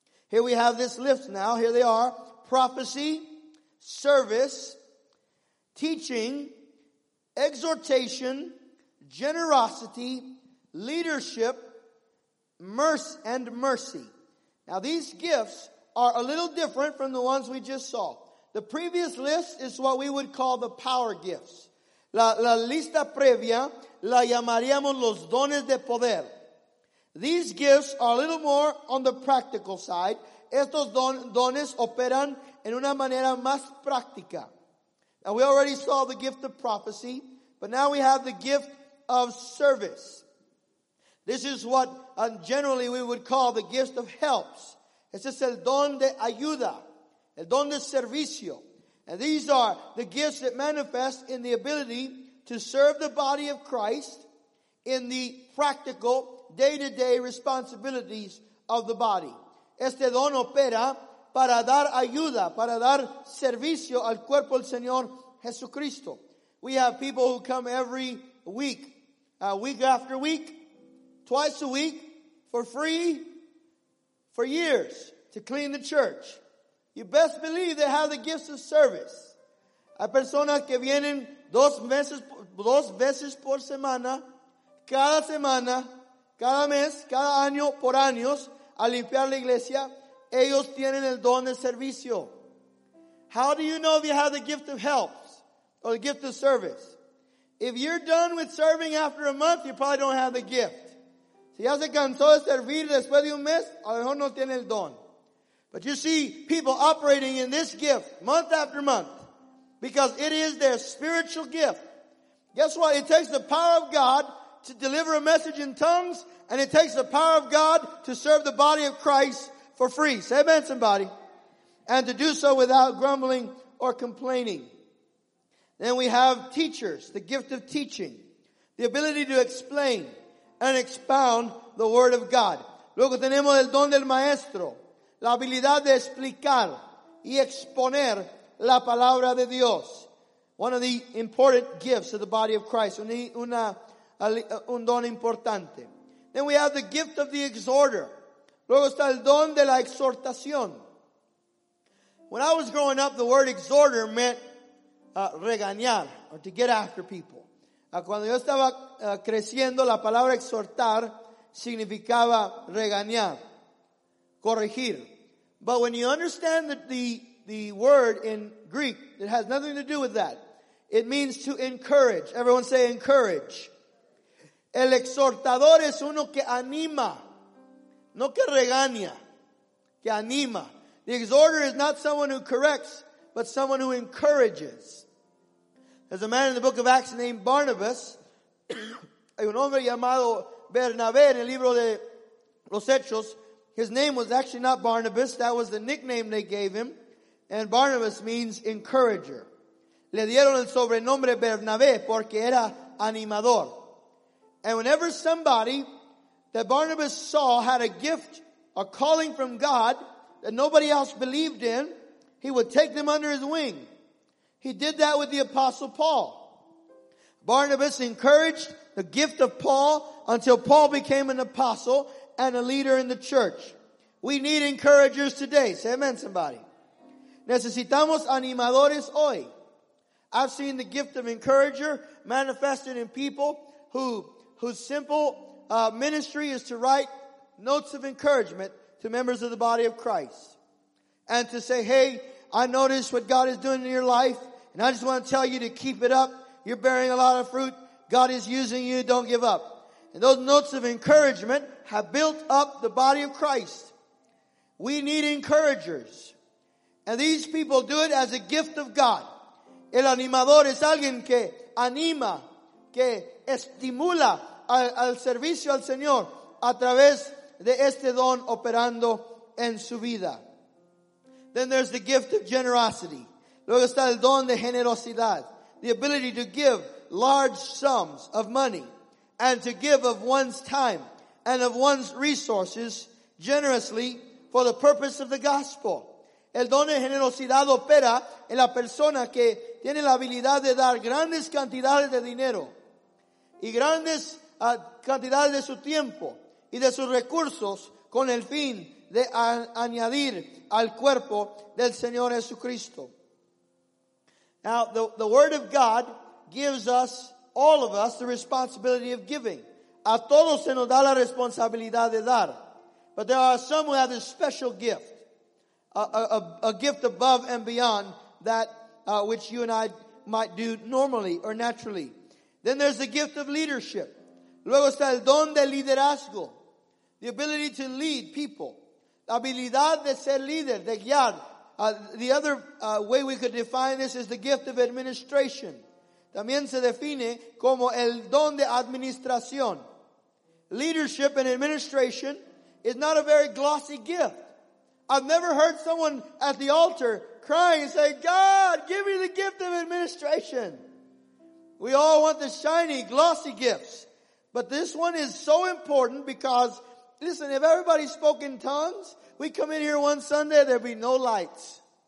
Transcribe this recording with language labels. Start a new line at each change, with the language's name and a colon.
English: Here we have this list now. Here they are: prophecy, service, teaching, exhortation, generosity, leadership, mercy, and mercy. Now these gifts are a little different from the ones we just saw. The previous list is what we would call the power gifts.
Spanish: La lista previa la llamaríamos los dones de poder.
English: These gifts are a little more on the practical side.
Spanish: Estos dones operan en una manera más práctica.
English: Now we already saw the gift of prophecy, but now we have the gift of service. This is what generally we would call the gift of helps.
Spanish: Este es el don de ayuda. El don de servicio.
English: And these are the gifts that manifest in the ability to serve the body of Christ in the practical day-to-day responsibilities of the body.
Spanish: Este don opera para dar ayuda, para dar servicio al cuerpo del Señor Jesucristo.
English: We have people who come every week, week after week, twice a week, for free, for years, to clean the church. You best believe they have the gifts of service.
Spanish: Hay personas que vienen dos veces por semana, cada semana, cada mes, cada año, por años, a limpiar la iglesia. Ellos tienen el don de servicio.
English: How do you know if you have the gift of helps or the gift of service? If you're done with serving after a month, you probably don't have the gift.
Spanish: Si ya se cansó de servir después de un mes, a lo mejor no tiene el don.
English: But you see people operating in this gift month after month because it is their spiritual gift. Guess what? It takes the power of God to deliver a message in tongues, and it takes the power of God to serve the body of Christ for free. Say amen, somebody. And to do so without grumbling or complaining. Then we have teachers, the gift of teaching, the ability to explain and expound the word of God.
Spanish: Luego tenemos el don del maestro, la habilidad de explicar y exponer la palabra de Dios.
English: One of the important gifts of the body of Christ.
Spanish: Un don importante.
English: Then we have the gift of the exhorter.
Spanish: Luego está el don de la exhortación.
English: When I was growing up, the word exhorter meant regañar, or to get after people.
Spanish: Cuando yo estaba creciendo, la palabra exhortar significaba regañar, corregir.
English: But when you understand that the word in Greek, it has nothing to do with that. It means to encourage. Everyone say encourage.
Spanish: El exhortador es uno que anima, no que regaña, que anima.
English: The exhorter is not someone who corrects, but someone who encourages. There's a man in the book of Acts named Barnabas.
Spanish: Hay un hombre llamado Bernabé en el libro de los Hechos.
English: His name was actually not Barnabas. That was the nickname they gave him. And Barnabas means encourager.
Spanish: Le dieron el sobrenombre Bernabé porque era animador.
English: And whenever somebody that Barnabas saw had a gift, a calling from God that nobody else believed in, he would take them under his wing. He did that with the Apostle Paul. Barnabas encouraged the gift of Paul until Paul became an apostle and a leader in the church. We need encouragers today. Say amen, somebody.
Spanish: Necesitamos animadores hoy.
English: I've seen the gift of encourager manifested in people whose simple ministry is to write notes of encouragement to members of the body of Christ. And to say, hey, I noticed what God is doing in your life, and I just want to tell you to keep it up. You're bearing a lot of fruit. God is using you. Don't give up. And those notes of encouragement have built up the body of Christ. We need encouragers. And these people do it as a gift of God.
Spanish: El animador es alguien que anima, que estimula al servicio al Señor a través de este don operando en su vida.
English: Then there's the gift of generosity.
Spanish: Luego está el don de generosidad.
English: The ability to give large sums of money and to give of one's time and of one's resources generously for the purpose of the gospel.
Spanish: El don de generosidad opera en la persona que tiene la habilidad de dar grandes cantidades de dinero y grandes cantidades de su tiempo y de sus recursos con el fin de añadir al cuerpo del Señor Jesucristo.
English: Now, the Word of God gives us, all of us, the responsibility of giving.
Spanish: A todos se nos da la responsabilidad de dar.
English: But there are some who have this special gift. A gift above and beyond that which you and I might do normally or naturally. Then there's the gift of leadership.
Spanish: Luego está el don de liderazgo.
English: The ability to lead people.
Spanish: La habilidad de ser líder, de guiar.
English: The other way we could define this is the gift of administration.
Spanish: También se define como el don de administración.
English: Leadership and administration is not a very glossy gift. I've never heard someone at the altar crying and say, God, give me the gift of administration. We all want the shiny, glossy gifts. But this one is so important because, listen, if everybody spoke in tongues, we come in here one Sunday, there'd be no lights.